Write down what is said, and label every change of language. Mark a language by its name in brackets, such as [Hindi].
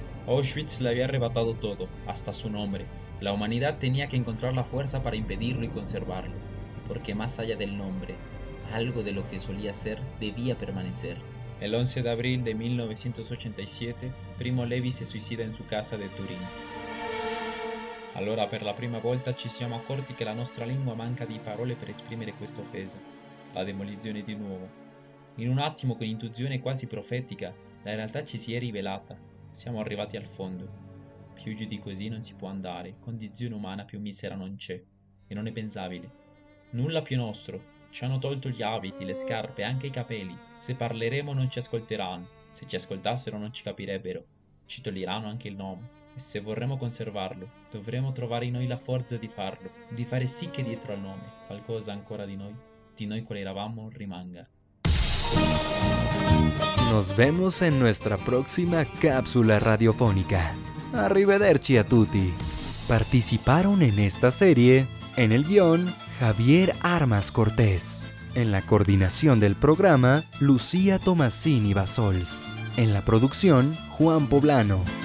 [Spanish] Auschwitz le había arrebatado todo, hasta su nombre. La humanidad tenía que encontrar la fuerza para impedirlo y conservarlo, porque más allá del nombre, algo de lo que solía ser debía permanecer. El 11 de abril de 1987, Primo Levi se suicida en su casa de Turín. [Italian] Allora per la prima volta ci siamo accorti che la nostra lingua manca di parole per esprimere questa offesa, la demolizione di nuovo. In un attimo, con intuizione quasi profetica, la realtà ci si è rivelata. Siamo arrivati al fondo. Più giù di così non si può andare, condizione umana più misera non c'è, e non è pensabile. Nulla più nostro, ci hanno tolto gli abiti, le scarpe, anche i capelli. Se parleremo non ci ascolteranno, se ci ascoltassero non ci capirebbero, ci toglieranno anche il nome. E se vorremmo conservarlo, dovremo trovare in noi la forza di farlo, di fare sì che dietro al nome, qualcosa ancora di noi quali eravamo, rimanga. [Spanish] Nos vemos en nuestra próxima cápsula radiofónica. [Italian] Arrivederci a tutti. [Spanish] Participaron en esta serie, en el guión, Javier Armas Cortés. En la coordinación del programa, Lucía Tomasini Basols. En la producción, Juan Poblano.